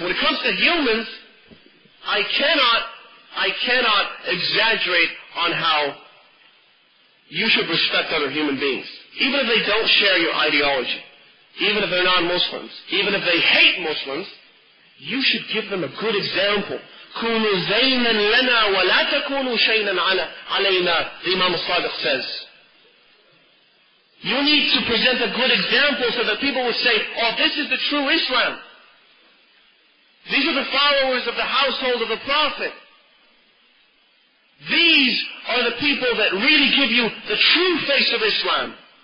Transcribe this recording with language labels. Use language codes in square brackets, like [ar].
[en] When it comes to humans, I cannot exaggerate on how you should respect other human beings. Even if they don't share your ideology, even if they're non-Muslims, even if they hate Muslims, you should give them a good example. [ar] كُونُوا زَيْنًا لَنَا وَلَا تَكُونُوا شَيْنًا عَلَيْنَا, [en] the Imam al-Sadiq says. You need to present a good example so that people will say, oh, this is the true Islam. These are the followers of the household of the Prophet. These are the people that really give you the true face of Islam.